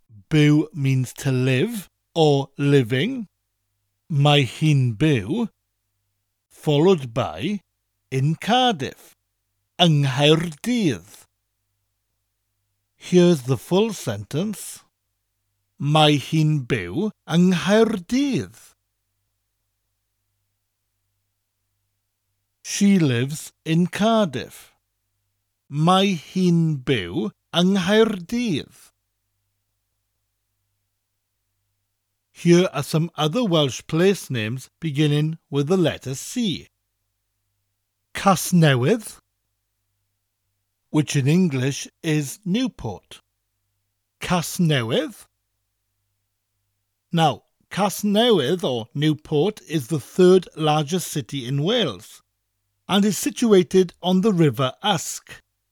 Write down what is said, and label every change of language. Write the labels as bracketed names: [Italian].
[English] Byw means to live or living. [Welsh] Mae hi'n byw, [English] followed by in Cardiff. [Welsh] Yng Nghaerdydd. [English] Here's the full sentence. [Welsh] Mae hi'n byw yng Nghaerdydd. [English] She lives in Cardiff. [Welsh] Mae hi'n byw yng Nghaerdydd. [English] Here are some other Welsh place names beginning with the letter C. Casnewydd, which in English is Newport. Casnewydd. Now, Casnewydd or Newport is the third largest city in Wales and is situated on the River Usk.